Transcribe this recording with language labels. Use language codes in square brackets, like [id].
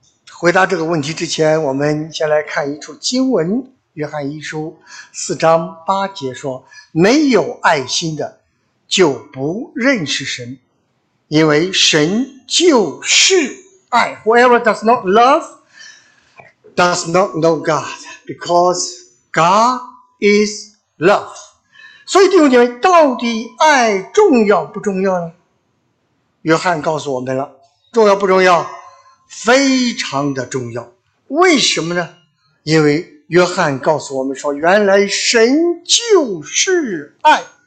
[zh] 回答这个问题之前，我们先来看一处经文。约翰一书四章八节说，没有爱心的就不认识神，因为神就是爱。 [en] Whoever does not love does not know God, because God is love。 [zh] 所以弟兄姐妹，到底爱重要不重要呢？约翰告诉我们了，重要不重要？非常的重要。为什么呢？因为约翰告诉我们说，原来神就是爱。